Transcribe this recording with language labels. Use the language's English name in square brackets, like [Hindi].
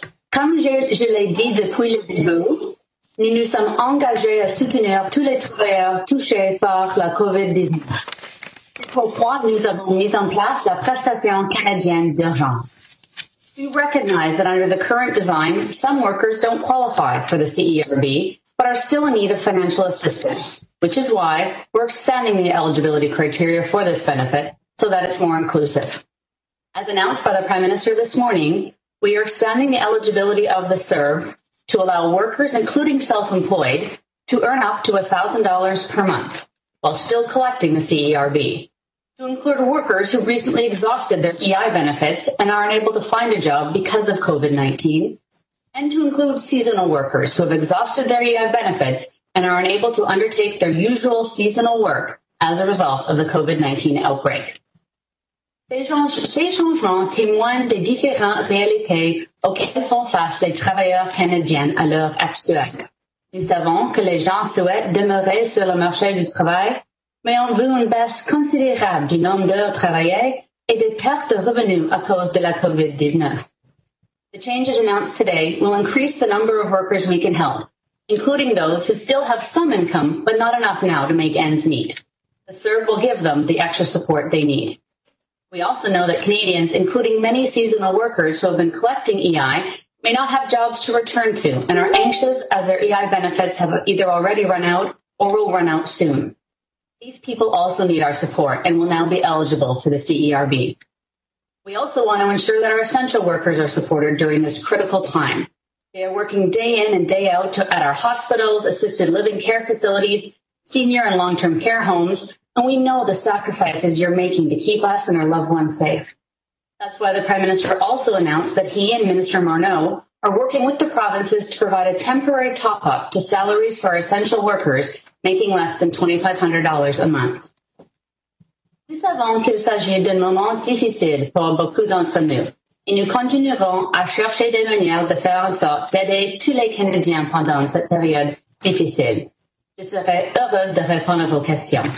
[French] Comme je l'ai dit depuis le début, nous nous sommes engagés à soutenir tous les travailleurs touchés par la COVID-19. C'est pourquoi nous avons mis en place la prestation canadienne d'urgence. [English] We recognize that under the current design, some workers don't qualify for the CERB, but are still in need of financial assistance, which is why we're expanding the eligibility criteria for this benefit so that it's more inclusive. As announced by the Prime Minister this morning, we are expanding the eligibility of the CERB to allow workers, including self-employed, to earn up to $1,000 per month while still collecting the CERB. To include workers who recently exhausted their EI benefits and are unable to find a job because of COVID-19, and to include seasonal workers who have exhausted their EI benefits and are unable to undertake their usual seasonal work as a result of the COVID-19 outbreak. [French] Ces changements témoignent des différentes réalités auxquelles font face les travailleurs canadiens à l'heure actuelle. Nous savons que les gens souhaitent demeurer sur le marché du travail, mais on veut une baisse considérable du nombre d'heures travaillées et des pertes de revenus à cause de la COVID-19. [English] The changes announced today will increase the number of workers we can help, including those who still have some income but not enough now to make ends meet. The CERB will give them the extra support they need. We also know that Canadians, including many seasonal workers who have been collecting EI, may not have jobs to return to and are anxious as their EI benefits have either already run out or will run out soon. These people also need our support and will now be eligible for the CERB. We also want to ensure that our essential workers are supported during this critical time. They are working day in and day out at our hospitals, assisted living care facilities, senior and long-term care homes, and we know the sacrifices you're making to keep us and our loved ones safe. That's why the Prime Minister also announced that he and Minister Morneau are working with the provinces to provide a temporary top-up to salaries for our essential workers making less than $2,500 a month. [French] Nous savons qu'il s'agit d'un moment difficile pour beaucoup d'entre nous, et nous continuerons à chercher des manières de faire en sorte d'aider tous les Canadiens pendant cette période difficile. Je serai heureuse de répondre à vos questions.